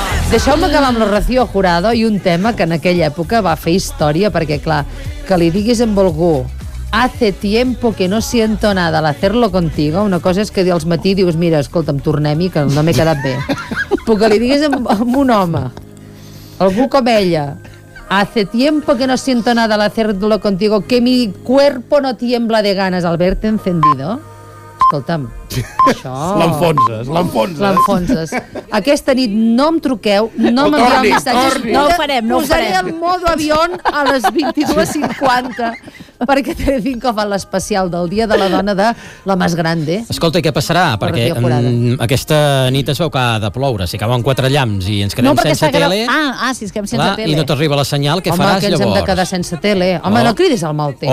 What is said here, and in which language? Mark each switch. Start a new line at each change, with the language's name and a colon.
Catalan: Deixeu-me acabar amb la Rocío Jurado i un tema que en aquella època va fer història, perquè, clar, que li diguis amb algú...
Spanish: Hace tiempo que no siento nada al hacerlo contigo.
Catalan: Una cosa és que dels matí dius, mira, escolta'm, tornem-hi, que no m'he quedat bé. Però que li digués amb un home, algú com ella,
Spanish: hace tiempo que no siento nada al hacerlo contigo, que mi cuerpo no tiembla de ganas al verte encendido.
Catalan: Escolta'm, això... L'enfonses. Aquesta nit no em truqueu, no m'envieu missatges. No ho farem, no ho farem. Posaré el modo avión a les 22:50. Perquè Telecinco fa l'especial del dia de la dona de la Mas Grande. Escolta, i què passarà? Perquè aquesta nit es veu que ha de ploure. Si cauen quatre llams i ens quedem sense tele... Si ens quedem sense tele. I no t'arriba la senyal, què faràs llavors? Home, que ens hem de quedar sense tele. Home, no cridis al mal temps.